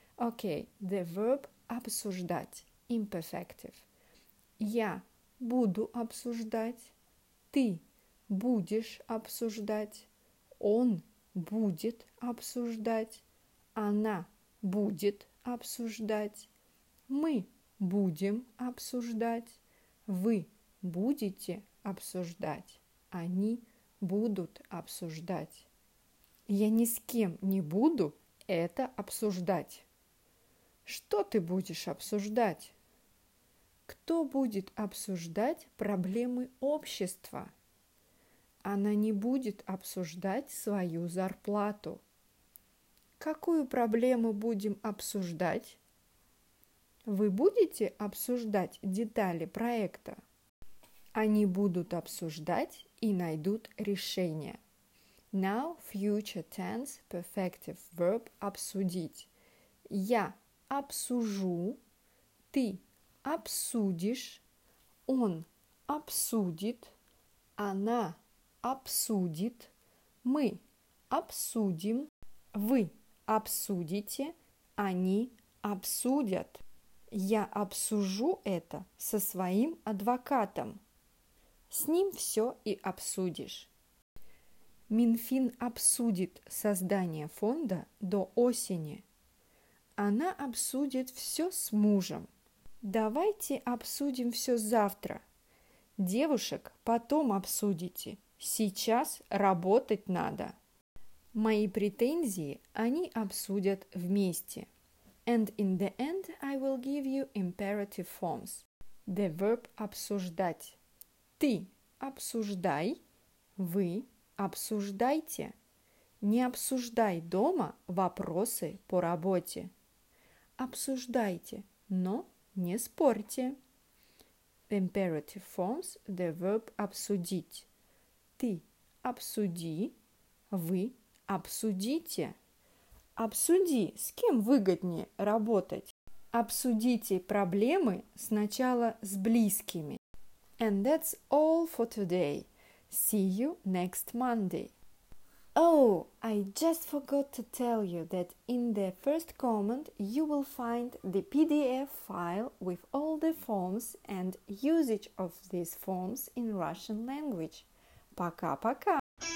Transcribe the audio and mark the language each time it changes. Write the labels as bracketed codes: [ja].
[en] Okay, the verb обсуждать, imperfective. [ru] Я буду обсуждать, ты будешь обсуждать, он будет обсуждать, она будет обсуждать, мы будем обсуждать, вы будете обсуждать, они будут обсуждать. Я ни с кем не буду это обсуждать. Что ты будешь обсуждать? Кто будет обсуждать проблемы общества? Она не будет обсуждать свою зарплату. Какую проблему будем обсуждать? Вы будете обсуждать детали проекта? Они будут обсуждать и найдут решение. [en] Now future tense perfective verb обсудить. [ru] Я обсужу, ты обсудишь, он обсудит, она обсудит, мы обсудим, вы обсудите, они обсудят. Я обсужу это со своим адвокатом. С ним все и обсудишь. Минфин обсудит создание фонда до осени. Она обсудит все с мужем. Давайте обсудим все завтра. Девушек потом обсудите. Сейчас работать надо. Мои претензии они обсудят вместе. [en] And in the end, I will give you imperative forms. The verb обсуждать. [ru] Ты обсуждай, вы обсуждайте. Не обсуждай дома вопросы по работе. Обсуждайте, но не спорьте. [en] Imperative forms, the verb обсудить. [ru] Ты обсуди, вы обсудите. Обсуди, с кем выгоднее работать. Обсудите проблемы сначала с близкими. [en] And that's all for today. See you next Monday. Oh, I just forgot to tell you that in the first comment you will find the PDF file with all the forms and usage of these forms in Russian language. [ru] Пока-пока!